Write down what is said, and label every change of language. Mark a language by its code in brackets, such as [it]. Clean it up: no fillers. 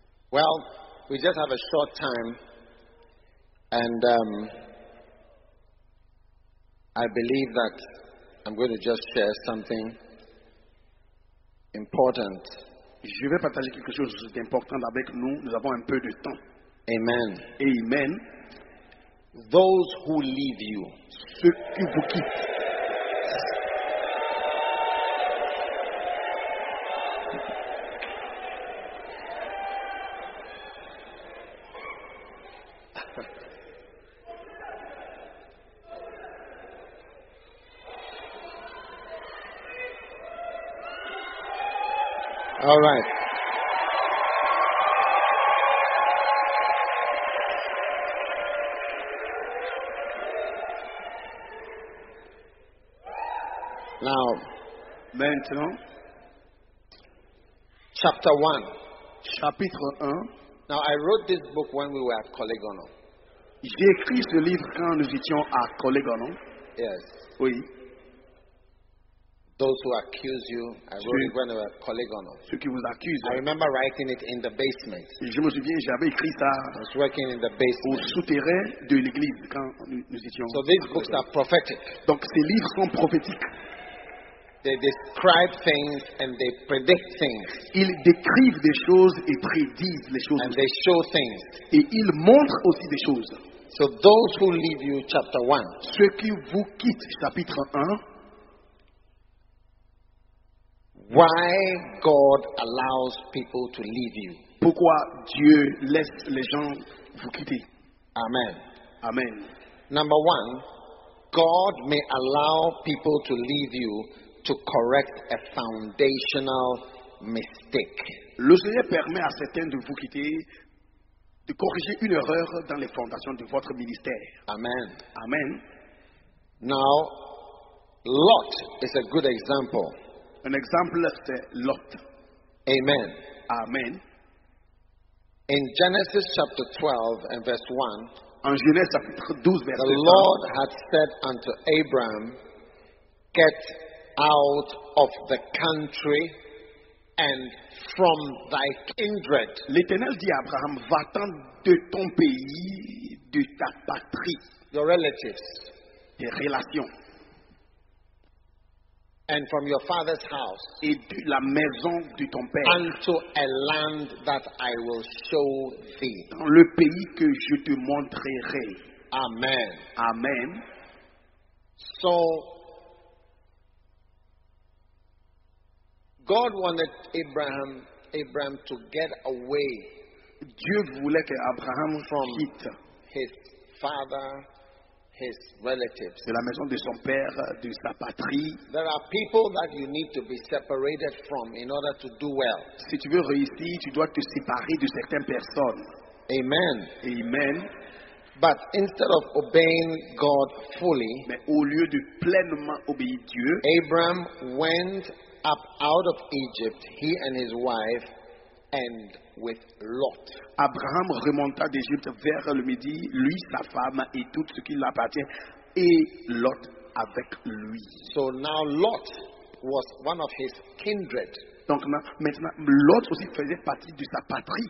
[en] Well, we just have a short time, and I believe that I'm going to just share something important. [fr] Je vais partager quelque chose d'important avec nous. Nous avons un peu de temps. Amen. Amen. [en] Those who leave you, [fr] ceux qui vous quittent. [en] All right. Now, [fr] maintenant, [en] chapter 1. [fr] Chapitre 1. [en] Now, I wrote this book when we were at Collegono. [fr] J'ai écrit ce livre quand nous étions à Collegono. [en] Yes. [fr] Oui. [en] Those who accuse you, I wrote it when I was a colleague on. [fr] Ceux qui vous accusent. [en] I remember writing it in the basement. [fr] Je me souviens, j'avais écrit ça. [en] I was working in the basement. [fr] Au souterrain de l'église quand nous étions. [en] So these books are prophetic. [fr] Donc ces livres sont prophétiques. [en] They describe things and they predict things. [fr] Ils décrivent des choses et prédisent les choses. [en] And they show things. [fr] Et ils montrent aussi des choses. [en] So those who leave you, chapter 1. [fr] Ceux qui vous quittent, chapitre 1. [en] Why God allows people to leave you? [fr] Pourquoi Dieu laisse les gens vous quitter? Amen. Amen. [en] Number one, God may allow people to leave you to correct a foundational mistake. [fr] Le Seigneur permet à certains de vous quitter de corriger une erreur dans les fondations de votre ministère. Amen. Amen. [en] Now, Lot is a good example. An example of the Lot. Amen. Amen. In Genesis chapter 12 and verse 1, [fr] en Genèse chapitre 12, verse [en] the 12, Lord had said unto Abram, get out of the country and from thy kindred. [fr] L'Éternel dit à Abraham, va-t'en de ton pays, de ta patrie. [en] Your relatives. [fr] Tes relations. [en] And from your father's house, [fr] et de la maison de ton père, [en] unto a land that I will show thee, [fr] dans le pays que je te montrerai. Amen. Amen. [en] So God wanted Abraham to get away. [fr] Dieu voulait que Abraham quitte [en] his father. His relatives. [fr] De la maison de son père, de sa patrie. [en] There are people that you need to be separated from in order to do well. [fr] Si tu veux réussir, tu dois te séparer de certaines personnes. Amen. Amen. [en] But instead of obeying God fully, [fr] mais au lieu de pleinement obéir Dieu, [en] Abraham went up out of Egypt, he and his wife, and with Lot. [fr] Abraham remonta d'Égypte vers le midi, lui, sa femme et tout ce qui l'appartient, et Lot avec lui. [en] So now Lot was one of his kindred. [fr] Donc maintenant, Lot aussi faisait partie de sa patrie.